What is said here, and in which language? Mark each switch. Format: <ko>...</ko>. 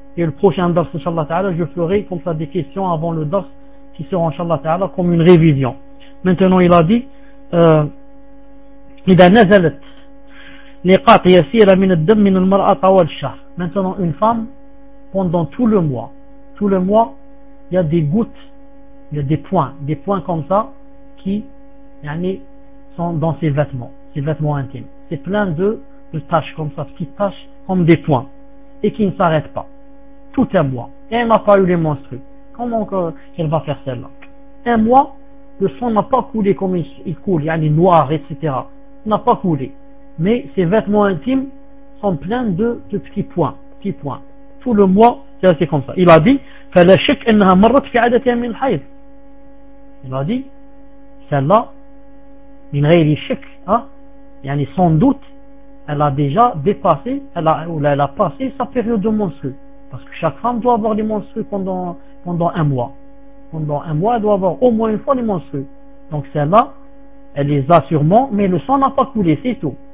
<fr>Et le prochain dars inshallah ta'ala, je ferai comme ça des questions avant le dars qui sera inshallah ta'ala comme une révision. Maintenant il a dit</fr> <ar>إذا نزلت نقاط يسيرة من الدم من المرأة طوال الشهر.</ar> <fr>Maintenant une femme pendant tout le mois, il y a des gouttes, il y a des points comme ça qui yani, sont dans ses vêtements intimes. C'est plein de taches comme ça, petites taches comme des points et qui ne s'arrêtent pas. Tout un mois. Et elle n'a pas eu les menstrues. Comment qu'elle va faire celle-là? Un mois, le sang n'a pas coulé comme il coule, yani, noir, etc. Il n'a pas coulé. Mais ses vêtements intimes sont pleins de petits points. Le mois, c'est comme ça. Il a dit,</fr> <ar>فلا شك أنها مرت في عادة من الحيض.</ar> <fr>Il a dit, celle-là,</fr> <ar>من غير شك,</ar> <fr>يعني sans doute, elle a déjà dépassé, elle a passé sa période de menstrues. Parce que chaque femme doit avoir des menstrues pendant un mois. pendant un mois, elle doit avoir au moins une fois les menstrues. Donc celle-là, elle les a sûrement, mais le sang n'a pas coulé, c'est tout.</fr>